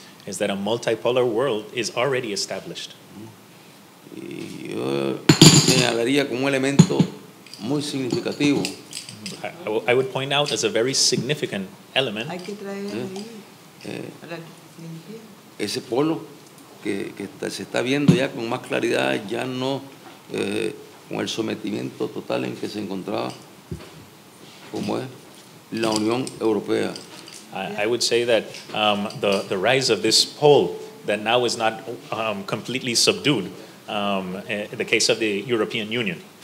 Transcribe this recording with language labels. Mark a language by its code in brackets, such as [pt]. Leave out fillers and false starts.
[en] Is that a multipolar world is already established. [es] Y yo señalaría como un elemento muy significativo. [en] I would point out as a very significant element. [es] Hay que traer ahí ese polo. Que se está viendo ya con más claridad, ya no con el sometimiento total en que se encontraba, como es la Unión Europea. [en] I would say that the rise of this pole that now is not completely subdued, in the case of the European Union.